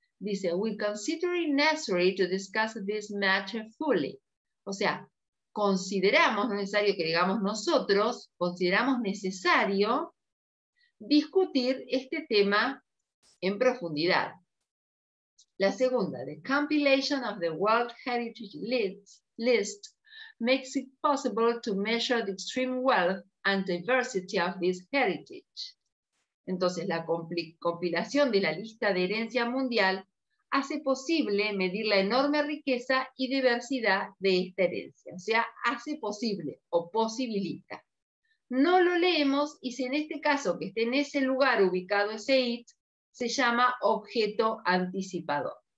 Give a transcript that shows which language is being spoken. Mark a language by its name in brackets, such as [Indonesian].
[Spanish] Dice, [English] we consider it necessary to discuss this matter fully. [Spanish] O sea, consideramos necesario que digamos nosotros, consideramos necesario discutir este tema en profundidad. La segunda, [English] the compilation of the World Heritage List makes it possible to measure the extreme wealth and diversity of this heritage. [Spanish] Entonces, la compilación de la lista de herencia mundial hace posible medir la enorme riqueza y diversidad de esta herencia. O sea, hace posible o posibilita. No lo leemos, y si en este caso que esté en ese lugar ubicado ese it, se llama objeto anticipador.